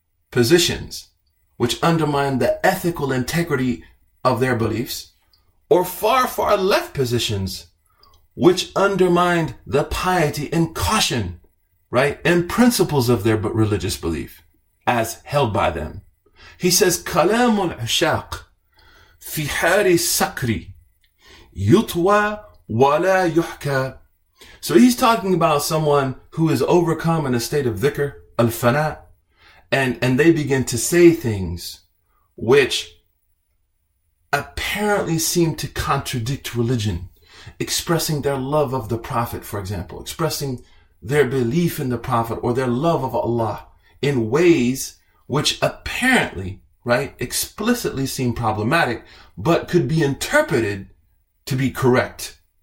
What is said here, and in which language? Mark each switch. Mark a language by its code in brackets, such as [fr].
[en] positions, which undermine the ethical integrity of their beliefs, or far, far left positions, which undermine the piety and caution, right, and principles of their religious belief as held by them. He says, [ar] كلام العشاق في حال سكري يطوى ولا يحكى. [en] So he's talking about someone who is overcome in a state of dhikr, al-fana, and they begin to say things which apparently seem to contradict religion, expressing their love of the Prophet, for example, expressing their belief in the Prophet or their love of Allah in ways which apparently, right, explicitly seem problematic, but could be interpreted to be correct.